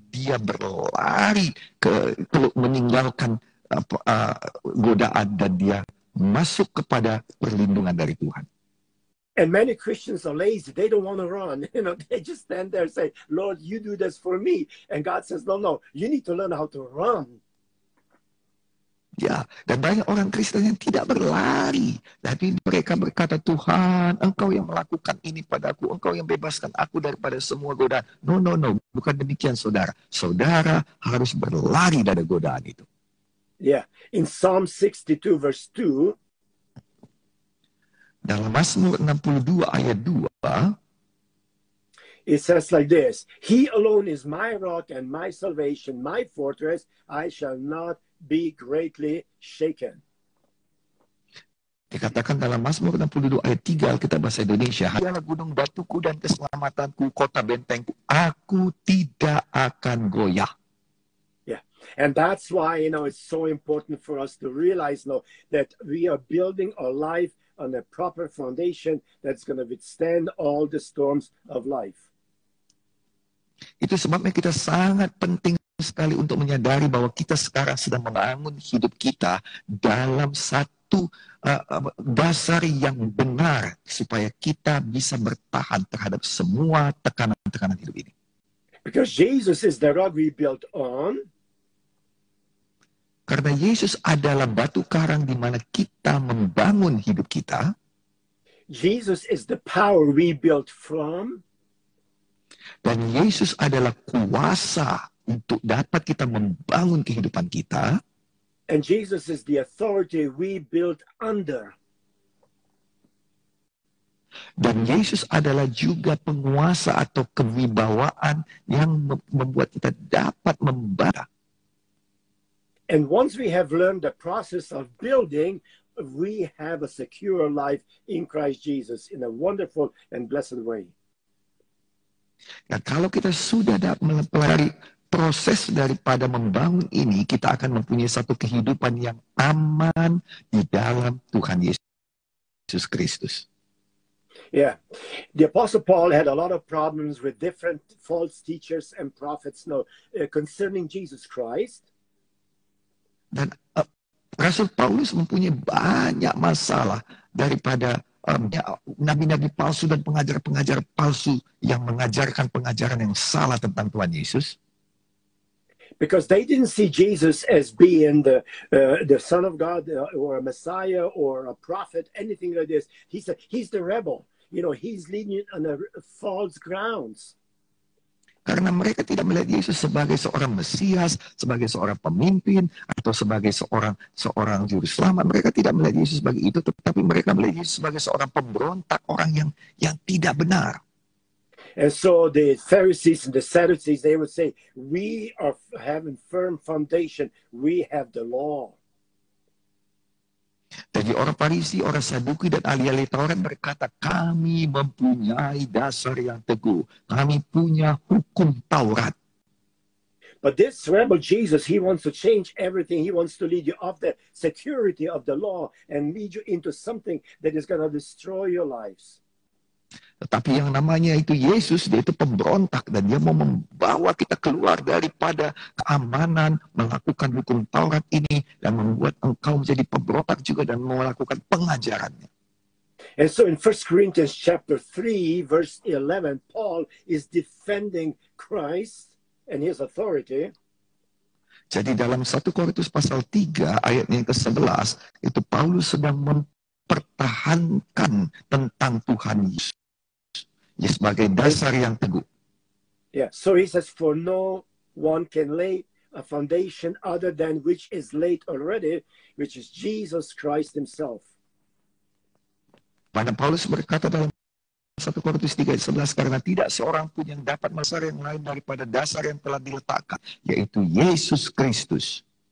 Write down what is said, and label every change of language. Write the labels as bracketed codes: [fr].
[id] Dia berlari ke meninggalkan godaan dan dia masuk kepada perlindungan dari Tuhan. [en] And many Christians are lazy. They don't want to run. You know, they just stand there and say, Lord, you do this for me. And God says, no, you need to learn how to run. [id] Yeah, dan banyak orang Kristen yang tidak berlari. Tapi mereka berkata, Tuhan, Engkau yang melakukan ini padaku. Engkau yang bebaskan aku daripada semua godaan. No, bukan demikian, saudara. Saudara harus berlari dari godaan itu. [en] Yeah, in Psalm 62, verse 2, [id] Dalam Mazmur 62 ayat 2, [en] it says like this: He alone is my rock and my salvation, my fortress. I shall not be greatly shaken. [id] Dikatakan dalam Mazmur 62 ayat 3 Alkitab bahasa Indonesia, Dialah gunung batuku dan keselamatanku, kota bentengku, aku tidak akan goyah. [en] Yeah, and that's why, you know, it's so important for us to realize, you know, that we are building our life on a proper foundation that's going to withstand all the storms of life. [id] Itu sebabnya kita sangat penting sekali untuk menyadari bahwa kita sekarang sedang membangun hidup kita dalam satu dasar yang benar supaya kita bisa bertahan terhadap semua tekanan-tekanan hidup ini. [en] Because Jesus is the rock we built on. [id] Karena Yesus adalah batu karang di mana kita membangun hidup kita. [en] Jesus is the power we built from. [id] Dan Yesus adalah kuasa untuk dapat kita membangun kehidupan kita. [en] And Jesus is the authority we built under. [id] Dan Yesus adalah juga penguasa atau kewibawaan yang membuat kita dapat membangun. [en] And once we have learned the process of building, we have a secure life in Christ Jesus in a wonderful and blessed way. [id] Nah, kalau kita sudah dapat mempelajari proses daripada membangun ini, kita akan mempunyai satu kehidupan yang aman di dalam Tuhan Yesus Kristus. [en] Yeah, the Apostle Paul had a lot of problems with different false teachers and prophets, concerning Jesus Christ. [id] Dan Rasul Paulus mempunyai banyak masalah daripada nabi-nabi palsu dan pengajar-pengajar palsu yang mengajarkan pengajaran yang salah tentang Tuhan Yesus. [en] Because they didn't see Jesus as being the Son of God or a Messiah or a prophet, anything like this. He's the rebel. You know, he's leading on a false grounds. [id] Karena mereka tidak melihat Yesus sebagai seorang Mesias, sebagai seorang pemimpin, atau sebagai seorang juru selamat. Mereka tidak melihat Yesus sebagai itu, tetapi mereka melihat Yesus sebagai seorang pemberontak, orang yang tidak benar. [en] And so the Pharisees and the Sadducees, they would say, we are having firm foundation, we have the law. [id] Jadi orang Farisi, orang Saduki, dan ahli-ahli Taurat berkata, kami mempunyai dasar yang teguh. Kami punya hukum Taurat. [en] But this rebel Jesus, he wants to change everything. He wants to lead you off the security of the law and lead you into something that is going to destroy your lives. [id] Tetapi yang namanya itu Yesus, dia itu pemberontak dan dia mau membawa kita keluar daripada keamanan melakukan hukum Taurat ini dan membuat engkau menjadi pemberontak juga dan melakukan pengajarannya. [en] And so in 1 Corinthians chapter 3 verse 11, Paul is defending Christ and his authority. [id] Jadi dalam 1 Korintus pasal 3 ayatnya yang ke-11, itu Paulus sedang mempertahankan tentang Tuhan Yesus. Ya, sebagai dasar yang teguh. [en] Yeah, so he says, for no one can lay a foundation other than which is laid already, which is Jesus Christ himself. [id] Pada Paulus berkata dalam 1 Korintus 3:11, karena tidak seorang pun yang dapat dasar yang lain daripada dasar yang telah diletakkan, yaitu Yesus Kristus.